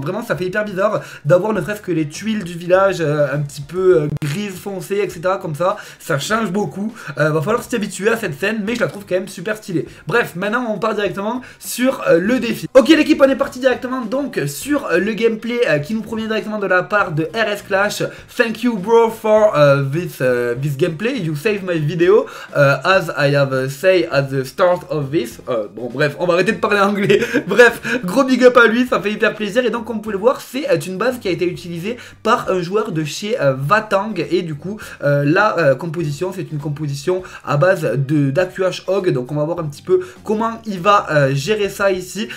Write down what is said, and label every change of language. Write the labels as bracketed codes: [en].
[fr] Vraiment, ça fait hyper bizarre d'avoir ne serait-ce que les tuiles du village un petit peu grises foncées, etc. Comme ça, ça change beaucoup. Va falloir s'y habituer à cette scène, mais je la trouve quand même super stylée. Bref, maintenant on part directement sur le défi. Ok l'équipe, on est parti directement donc sur le gameplay qui nous provient directement de la part de RS Clash. [en] Thank you bro for this gameplay. You saved my video as I have said at the start of this. [fr] Bon bref, on va arrêter de parler anglais. Bref, gros big up à lui, ça fait hyper plaisir. Et donc comme vous pouvez le voir, c'est une base qui a été utilisée par un joueur de chez Vatang. Et du coup composition, c'est une composition à base de d'AQH Hog. Donc on va voir un petit peu comment il va gérer ça ici.